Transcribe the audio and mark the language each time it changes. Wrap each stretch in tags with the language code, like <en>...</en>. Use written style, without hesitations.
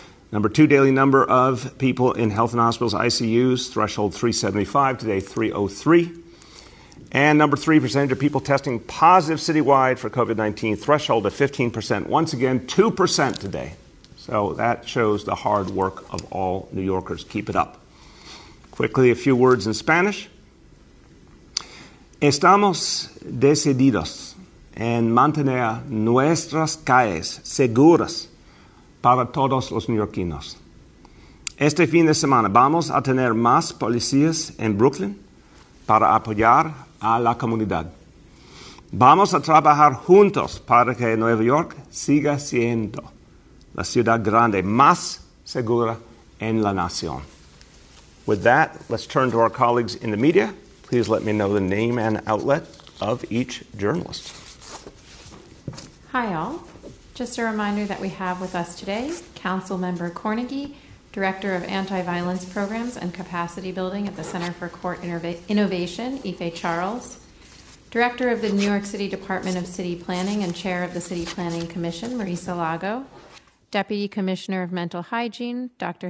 <en>Number two, daily number of people in health and hospitals, ICUs, threshold 375, today 303. And number three, percentage of people testing positive citywide for COVID-19, threshold of 15%, once again, 2% today. So that shows the hard work of all New Yorkers. Keep it up. Quickly, a few words in Spanish.</en> <es>Estamos decididos en mantener nuestras calles seguras para todos los neoyorquinos. Este fin de semana vamos a tener más policías en Brooklyn para apoyar a la comunidad. Vamos a trabajar juntos para que Nueva York siga siendo la ciudad grande más segura en la nación.</es> <en>With that, let's turn to our colleagues in the media. Please let me know the name and outlet of each journalist. Hi, all. Just a reminder that we have with us today Councilmember Cornegie, Director of Anti-Violence Programs and Capacity Building at the Center for Court Innovation, Ife Charles, Director of the New York City Department of City Planning and Chair of the City Planning Commission, Marisa Lago, Deputy Commissioner of Mental Hygiene, Dr.</en>